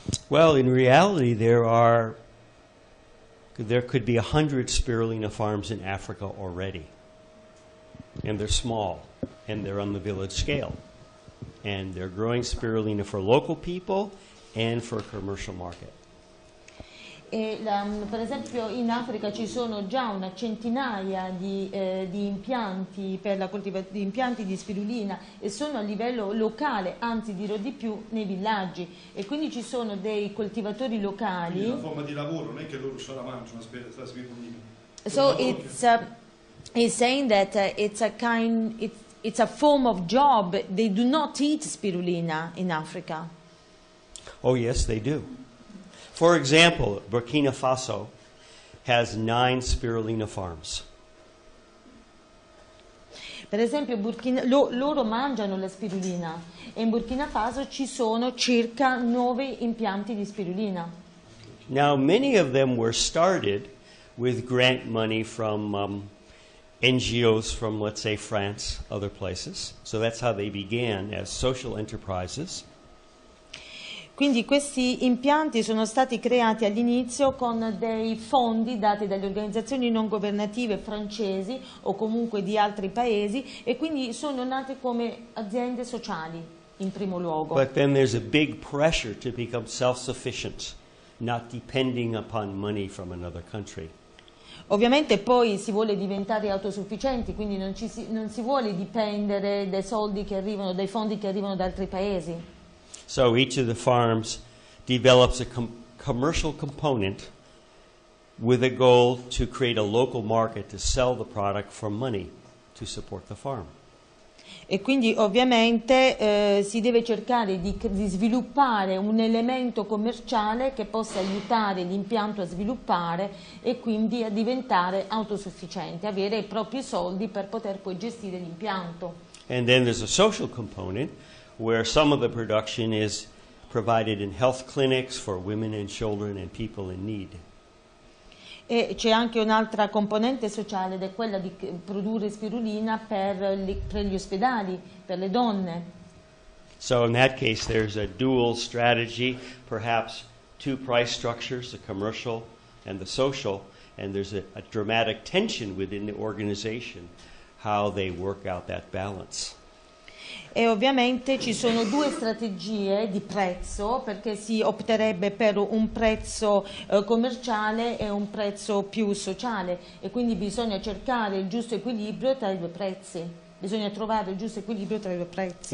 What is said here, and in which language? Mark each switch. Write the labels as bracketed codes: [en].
[en] Well, in reality, there could be 100 spirulina farms in Africa already, and they're small, and they're on the village scale, and they're growing spirulina for local people and for a commercial market. [it] E per esempio in Africa ci sono già una centinaia di impianti di spirulina e sono a livello locale, anzi dirò di più, nei villaggi, e quindi ci sono dei coltivatori locali. Quindi la forma di lavoro non è che loro se la mangiano la spirulina. [en] So he's saying that it's a form of job. They do not eat spirulina in Africa. Oh yes, they do. For example, Burkina Faso has 9 spirulina farms. [it] Per esempio, loro mangiano la spirulina e in Burkina Faso ci sono circa 9 impianti di spirulina. [en] Now, many of them were started with grant money from NGOs from, let's say, France, other places. So that's how they began as social enterprises. [it] Quindi questi impianti sono stati creati all'inizio con dei fondi dati dalle organizzazioni non governative francesi o comunque di altri paesi, e quindi sono nate come aziende sociali in primo luogo. [en] But then there's a big pressure to become self-sufficient, not depending upon money from another country. [it] Ovviamente poi si vuole diventare autosufficienti, quindi non si vuole dipendere dai soldi che arrivano, dai fondi che arrivano da altri paesi. [en] So each of the farms develops a commercial component with a goal to create a local market to sell the product for money to support the farm. [it] E quindi ovviamente si deve cercare di sviluppare un elemento commerciale che possa aiutare l'impianto a sviluppare e quindi a diventare autosufficiente, avere i propri soldi per poter poi gestire l'impianto. [en] And then there's a social component, where some of the production is provided in health clinics for women and children and people in need. [it] E c'è anche un'altra componente sociale, ed è quella di produrre spirulina per gli ospedali, per le donne. [en] So in that case there's a dual strategy, perhaps two price structures, the commercial and the social, and there's a dramatic tension within the organization how they work out that balance. [it] E ovviamente ci sono due strategie di prezzo, perché si opterebbe per un prezzo commerciale e un prezzo più sociale, e quindi bisogna cercare il giusto equilibrio tra i due prezzi. Bisogna trovare il giusto equilibrio tra i due prezzi.